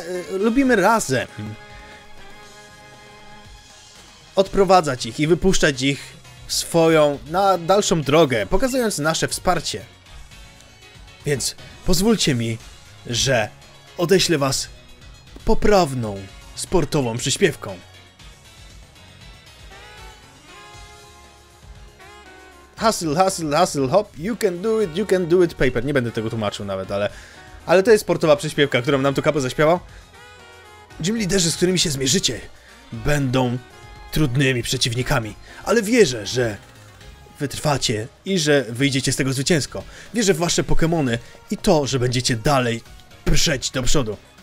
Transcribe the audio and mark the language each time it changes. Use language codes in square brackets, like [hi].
[pl] Lubimy razem odprowadzać ich i wypuszczać ich swoją na dalszą drogę, pokazując nasze wsparcie. Więc pozwólcie mi, że odeślę was poprawną sportową przyśpiewką. [en] Hustle, hustle, hustle, hop, you can do it, Paper. [pl] Nie będę tego tłumaczył nawet, ale to jest sportowa przyśpiewka, którą nam tu Kabu zaśpiewał. Gym liderzy, z którymi się zmierzycie, będą trudnymi przeciwnikami, ale wierzę, że wytrwacie i że wyjdziecie z tego zwycięsko. Wierzę w wasze Pokémony i to, że będziecie dalej przeć do przodu.